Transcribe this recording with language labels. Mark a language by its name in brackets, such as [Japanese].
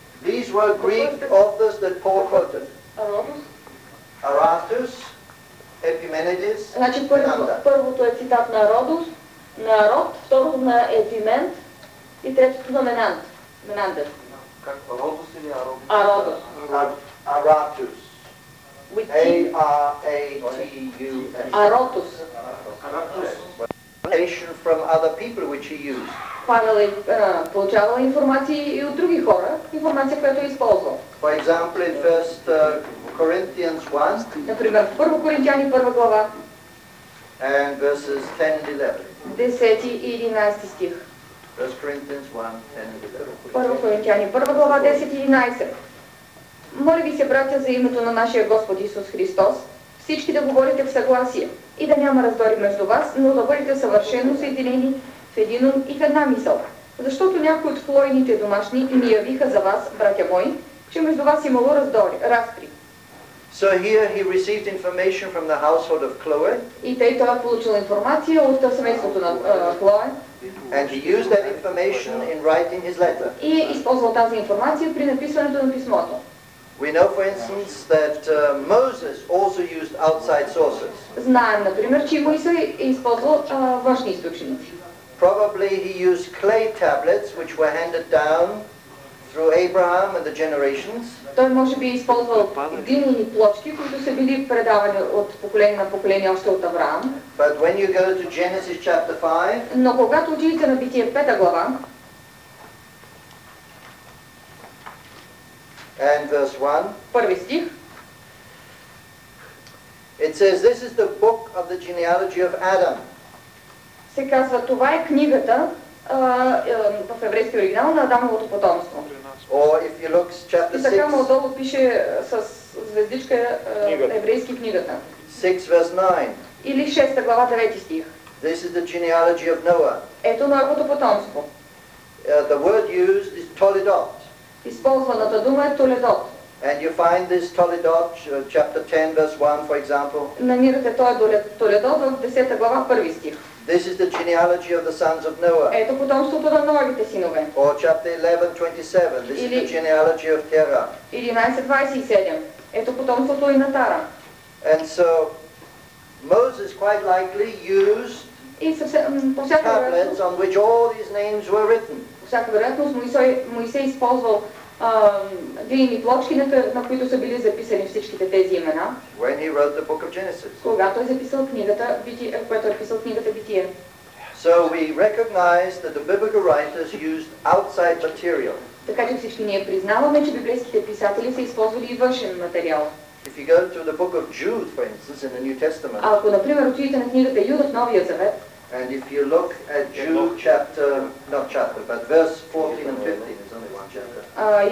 [English] These were Greek authors that Paul quoted. Aratus, Epimenides, [Bulgarian] значи първото е цитат на Родус, на Род, второто на Епимент и третото на Менанд. Менандър. Родус или Ародус? Ародус. Аратус. A-R-A-T-U-S. Аротус. [English] Information from other people which he used. [Bulgarian] Павел е получавал информации и от други хора, информация, която е използвал. [English] For example, in First Corinthians 1. [Bulgarian] Например, в Първо Коринтияни, първа глава. [English] And verses 10 and 11. [Bulgarian] 10 и 11 стих. [English] First Corinthians 1, 10 and 11. [Bulgarian] Първо Коринтияни, първа глава, 10 и 11. Моля ви се, братя, за името на нашия Господ Исус Христос, всички да говорите в съгласие и да няма раздори между вас, но да бъдете съвършено съединени в един ум и в една мисъл. Защото някои от хлоените домашни ми явиха за вас, братя мои, че между вас имало раздори, разпри. [English] So here he received information from the household of Chloe. [Bulgarian] И тъй той е получил информация от семейството на Chloe. [English] And he used that information in writing his letter. [Bulgarian] И е използвал тази информация при написването на писмото. [English] We know, for instance, that Moses also used outside sources. [Bulgarian] Знаем, например, че Моисей е използвал външни източници. [English] Probably he used clay tablets, which were handed down through Abraham and the generations. [Bulgarian] Той може би е използвал глинени плочки, които са били предавани от поколение на поколение още от Авраам. [English] But when you go to Genesis chapter 5, [Bulgarian] но когато отидете на Битие 5 глава, [English] and verse 1. [Bulgarian] Първи стих. [English] It says this is the book of the genealogy of Adam. [Bulgarian] Се казва това е книгата в еврейски оригинал на Адамовото потомство. [English] Or if you look chapter 6. [Bulgarian] Така отдолу пише с звездичка на еврейски книгата. [English] 6 verse 9. [Bulgarian] Или 6-та глава 9 стих. [English] This is the genealogy of Noah. [Bulgarian] Ето Ноевото потомство. [English] The word used is toledot. [Bulgarian] Използваната дума е толедот. [English] And you find this toledot chapter 10 verse 1 for example. [Bulgarian] Намирате този толедот в 10-та глава 1 стих. [English] This is the genealogy of the sons of Noah. [Bulgarian] Ето потомството на Ноевите синове. [English] Or chapter 11, 27. This is the genealogy of Terah. [Bulgarian] 11:27. Ето потомството и на Тара. [English] And so Moses quite likely used tablets on which all these names were written. [Bulgarian] Всяка вероятност Моисей използвал глини плочки, на които са били записани всичките тези имена. [English] When he wrote the book of Genesis. [Bulgarian] Когато е записал книгата, което е писал книгата Битие. [English] So we recognize that the biblical writers used outside material. [Bulgarian] Така че всички ние признаваме, че библейските писатели са използвали и външен материал. [English] If you go to the book of Jude, for instance, in the New Testament. [Bulgarian] Ако например отидете на книгата Юда в Новия Завет. [English] And if you look at Jude chapter, not chapter, but verse 14 and 15.